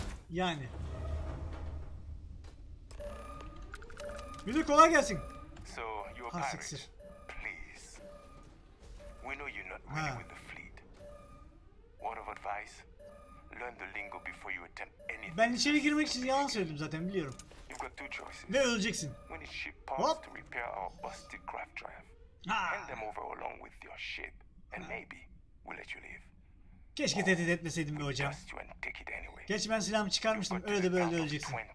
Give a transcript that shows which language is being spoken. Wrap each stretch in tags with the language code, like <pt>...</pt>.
<tr>Yani. Müdür kolay gelsin.</tr> <en>So you're a pirate. Please. We know you're not really with the fleet. Word of advice. Learn the lingo before you attempt anything.</en> <tr>Ben içeri girmek için yalan söyledim zaten biliyorum.</tr> <en>You've got two choices.</en> <tr>Ve öleceksin.</tr> <en>We need ship parts to repair our busted craft drive. Hand them over along with your ship, and maybe we'll let you live.</en> <tr>Keşke tehdit etmeseydim be hocam. Keşke ben silahımı çıkarmıştım, öyle de böyle öleceksin.</tr>